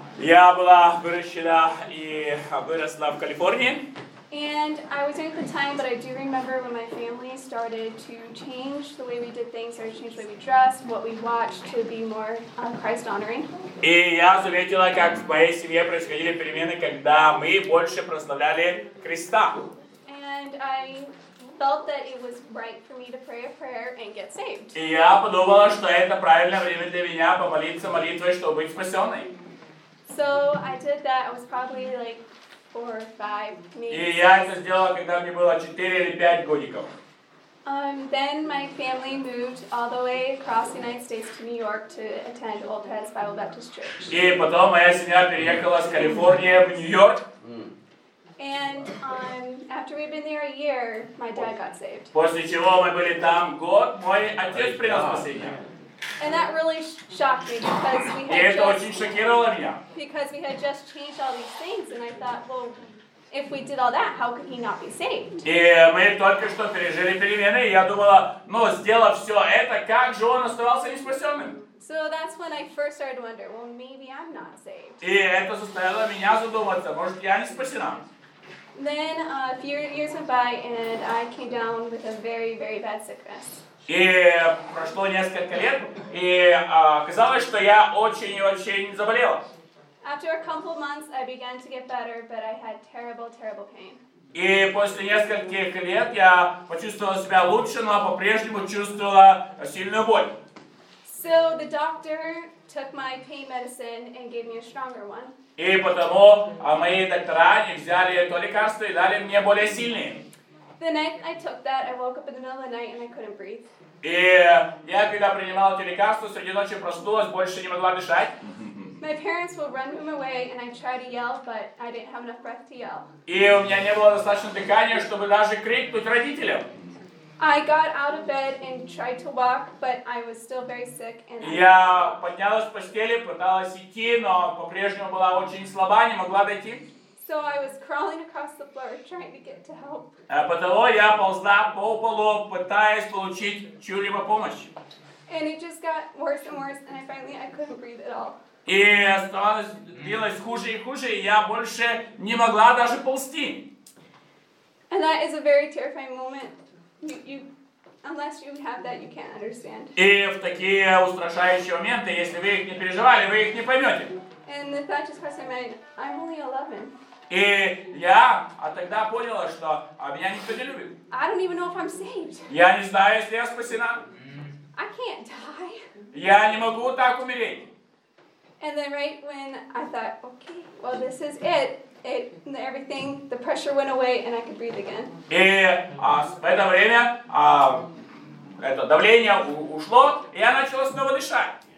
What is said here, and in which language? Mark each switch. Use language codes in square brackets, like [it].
[ru] Я была выращена и выросла в Калифорнии. [en] And I was young at the time, but I do remember when my family started to change the way we did things, started to change the way we dressed, what we watched to be more Christ-honoring. [ru] И я заметила, как в моей семье происходили перемены, когда мы больше прославляли Христа. [en] And I felt that it was right for me to pray a prayer and get saved. [ru] И я подумала, что это правильное время для меня помолиться молитвой, чтобы быть спасенной. [en] So I did that. I was probably like 4 or 5, maybe. [ru] И я это сделала, когда мне было 4 или 5 годиков. [en] Then my family moved all the way across the United States to New York to attend Old Heads Bible Baptist Church. [ru] И потом моя семья переехала с Калифорнии в Нью-Йорк. [en] And after we'd been there a year, my dad got saved. [ru] После чего мы были там год, мой отец принял спасение. [en] And that really shocked me because we had just changed all these things, and I thought, well, if we did all that, how could he not be saved? [ru] И мы только что пережили перемены, и я думала, ну, сделав все это, как же он оставался неспасенным? [en] So that's when I first started to wonder, well, maybe I'm not saved. [ru] И это заставило меня задуматься, может, я не спасена? [en] Then a few years went by, and I came down with a very, very bad sickness. [ru] И прошло несколько лет, и казалось, что я очень-очень заболел. [en] After a couple months, I began to get better, but I had terrible, terrible pain. [ru] И после нескольких лет я почувствовала себя лучше, но по-прежнему чувствовала сильную боль. [en] So the doctor took my pain medicine and gave me a stronger one. [ru] И потому мои доктора взяли то лекарство и дали мне более сильные. [en] The night I took that, I woke up in the middle of the night and I couldn't breathe. [ru] И я когда принимала эти лекарства, среди ночи проснулась, больше не могла дышать. [en] My parents would run me away and I tried to yell, but I didn't have enough breath to yell. [ru] И у меня не было достаточно дыхания, чтобы даже крикнуть родителям. [en] I got out of bed and tried to walk, but I was still very sick. And [ru] я поднялась с постели, пыталась идти, но по-прежнему была очень слаба, не могла дойти. [en] So I was crawling across the floor, trying to get to help. [ru] Потому я ползла по полу, пытаясь получить чью-либо помощь. [en] And it just got worse and worse, and I finally couldn't breathe at all. [ru] И становилось хуже и хуже, и я больше не могла даже ползти. [en] And that is a very terrifying moment. You unless you have that, you can't understand. [ru] И в такие устрашающие моменты, если вы их не переживали, вы их не поймете. [en] And the thought just crossed my mind, I'm only 11. [ru] И я тогда поняла, что меня никто не любит. [en] I don't even know if I'm saved. [ru] Я не знаю, если я спасена. [en] I can't die. [ru] Я не могу так умереть. [en] And then right when I thought, okay, well, this is it, everything, the pressure went away, and I could breathe again. [ru] И в это время это давление ушло, и я начала снова дышать.